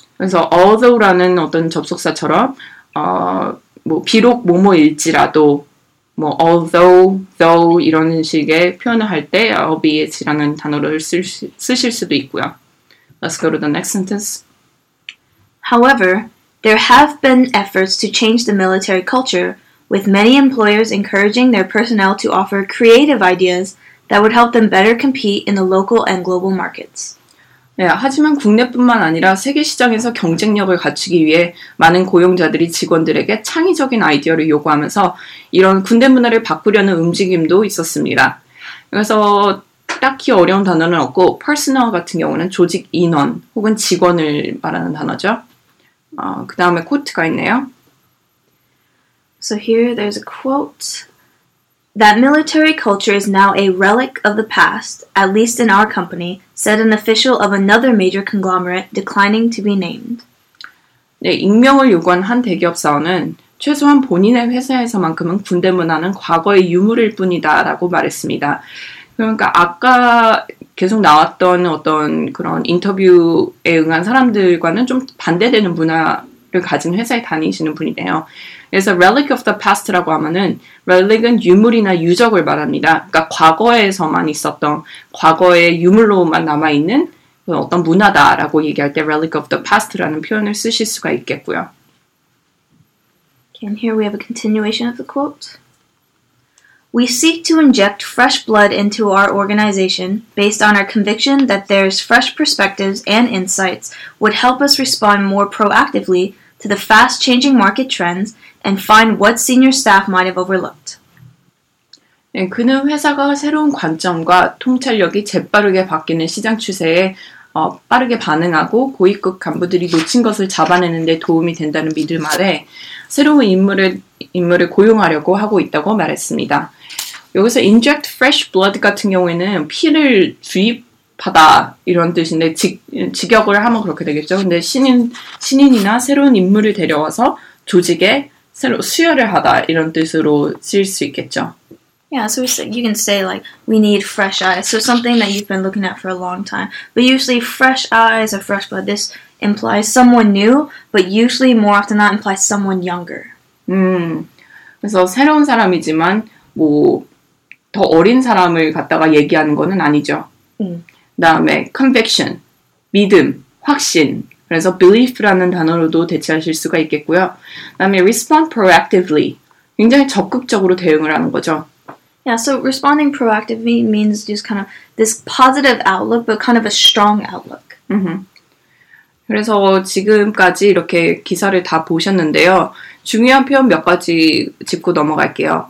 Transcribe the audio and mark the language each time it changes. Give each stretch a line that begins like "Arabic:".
Korean: 그래서 although라는 어떤 접속사처럼 뭐 비록 뭐뭐일지라도 뭐 although, though 이런 식의 표현을 할 때 albeit이라는 단어를 쓰실 수도 있고요.
English: Let's go to the next sentence. However, there have been efforts to change the military culture with many employers encouraging their personnel to offer creative ideas that would help them better compete in the local and global markets.
Korean: 네, 하지만 국내뿐만 아니라 세계 시장에서 경쟁력을 갖추기 위해 많은 고용자들이 직원들에게 창의적인 아이디어를 요구하면서 이런 군대 문화를 바꾸려는 움직임도 있었습니다. 그래서 딱히 어려운 단어는 없고 personal 같은 경우는 조직 인원 혹은 직원을 말하는 단어죠. 그 다음에 quote가 있네요.
English: So here there's a quote. That military culture is now a relic of the past, at least in our company, said an official of another major conglomerate declining to be named.
Korean: 네, 익명을 요구한 한 대기업 사원은 최소한 본인의 회사에서만큼은 군대 문화는 과거의 유물일 뿐이다 라고 말했습니다. 그러니까 아까 계속 나왔던 어떤 그런 인터뷰에 응한 사람들과는 좀 반대되는 문화를 가진 회사에 다니시는 분이네요. 그래서
English: relic of the past
Korean: 라고 하면은 relic은 유물이나 유적을 말합니다. 그러니까 과거에서만 있었던 과거의 유물로만 남아있는 어떤 문화다라고 얘기할 때
English: relic of the past
Korean: 라는 표현을 쓰실 수가 있겠고요.
English: And here we have a continuation of the quote. We seek to inject fresh blood into our organization based on our conviction that there's fresh perspectives and insights would help us respond more proactively to the fast-changing market trends and find what senior staff might have overlooked.
Korean: 네, 그는 회사가 새로운 관점과 통찰력이 재빠르게 바뀌는 시장 추세에 빠르게 반응하고 고위급 간부들이 놓친 것을 잡아내는 데 도움이 된다는 믿음 아래 새로운 인물을 고용하려고 하고 있다고 말했습니다. 여기서
English: inject fresh blood
Korean: 같은 경우에는 피를 주입하다 이런 뜻인데 직역을 하면 그렇게 되겠죠. 근데 신인이나 새로운 인물을 데려와서 조직에 새로 수혈을 하다 이런 뜻으로 쓰일 수 있겠죠.
English: Yeah, so you can say like we need fresh eyes. So something that you've been looking at for a long time. But usually fresh eyes or fresh blood, this implies someone new, but usually more often than that implies someone younger.
Korean: 그래서 새로운 사람이지만 뭐 더 어린 사람을 갖다가 얘기하는 거는 아니죠. 그다음에 conviction, 믿음, 확신. 그래서 belief라는 단어로도 대체하실 수가 있겠고요. 그다음에
English: respond proactively.
Korean: 굉장히 적극적으로 대응을 하는 거죠.
English: Yeah, so responding proactively means just kind of this positive outlook, but kind of a strong outlook. Mm-hmm.
Korean: 그래서 지금까지 이렇게 기사를 다 보셨는데요. 중요한 표현 몇 가지 짚고 넘어갈게요.